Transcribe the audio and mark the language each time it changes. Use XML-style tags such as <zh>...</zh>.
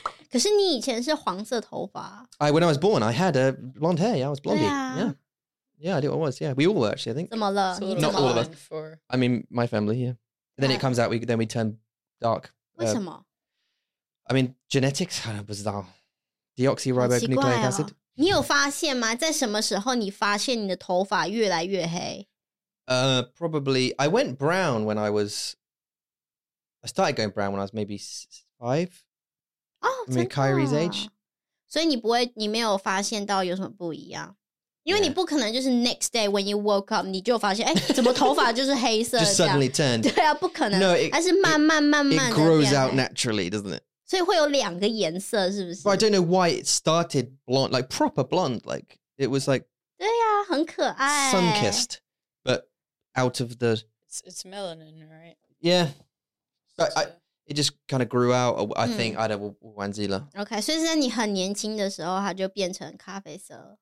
<zh>可是你以前是黄色头发。</zh> <en>When I was born, I had a blonde hair. Yeah, I was blondie. Yeah, I did what I was. Yeah, we all were, actually, I think.</en> <zh>怎么了?</zh> <en>Not all of us. I mean, my family, yeah. And then it comes out, we turn dark.</en> <zh>为什么?</zh> <en>I mean, genetics, kind of bizarre. Deoxyribonucleic acid.</en> <zh>你有发现吗? 在什么时候你发现你的头发越来越黑?</zh> <en>Probably, I went brown when I was, I started going brown when I was maybe 5. Oh, I mean, Kyrie's age.</en> <zh>所以你没有发现到有什么不一样? 因为你不可能就是</zh> <en>next day when you woke up,</en> <zh>你就发现,诶,怎么头发就是黑色这样?</zh> <en>Just suddenly turned.</en> <zh>对啊,不可能.</zh> <en>No, it grows out naturally, doesn't it?</en> <zh>所以会有两个颜色，是不是？</zh> <en>But I don't know why it started blonde, like proper blonde, like it was like.</en> <zh>对呀，很可爱.</zh> <en>Sun kissed, but out of the. It's melanin, right? Yeah, but It just kind of grew out, I think, out of Wanzilla. Okay, so when you're very young, it just became coffee color.</en>